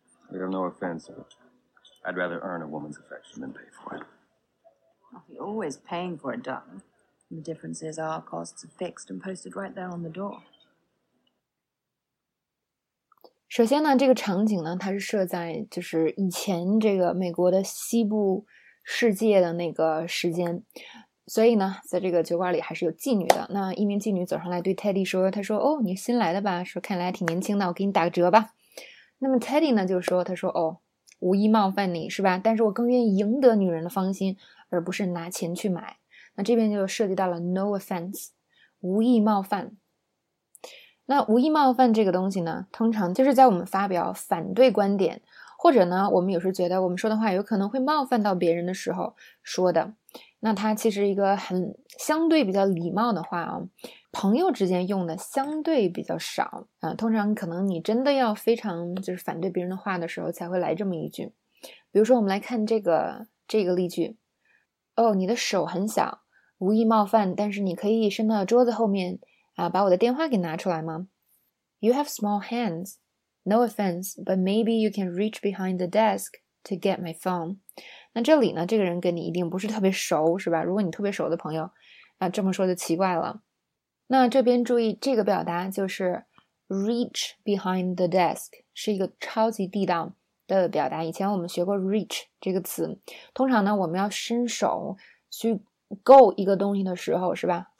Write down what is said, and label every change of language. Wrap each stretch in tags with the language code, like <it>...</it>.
<en>Well, no offense, but I'd rather earn a woman's affection than pay for it. Well, you're always paying for it, darling. The difference is our costs are fixed and posted right there on the door.</en> <zh>首先呢，这个场景呢，它是设在就是以前这个美国的西部世界的那个时间。所以呢，在这个酒馆里还是有妓女的。那一名妓女走上来对 Teddy 说："她说哦，你新来的吧？说看来还挺年轻的，我给你打个折吧。" 那么 Teddy 呢就说："他说哦，无意冒犯你是吧？但是我更愿意赢得女人的芳心，而不是拿钱去买。" 那这边就涉及到了 no offense，无意冒犯。那无意冒犯这个东西呢，通常就是在我们发表反对观点，或者呢，我们有时觉得我们说的话有可能会冒犯到别人的时候说的。那它其实一个很相对比较礼貌的话啊，朋友之间用的相对比较少啊，通常可能你真的要非常就是反对别人的话的时候才会来这么一句。比如说我们来看这个例句，哦，你的手很小，无意冒犯，但是你可以伸到桌子后面啊，把我的电话给拿出来吗？</zh> <en>You have small hands, no offense, but maybe you can reach behind the desk to get my phone.</en> <zh>那这里呢，这个人跟你一定不是特别熟，是吧？如果你特别熟的朋友，那这么说就奇怪了。那这边注意这个表达，就是</zh> <en>reach behind the desk</en> <zh>是一个超级地道的表达。以前我们学过 reach 这个词，通常呢，我们要伸手去够一个东西的时候，是吧？</zh>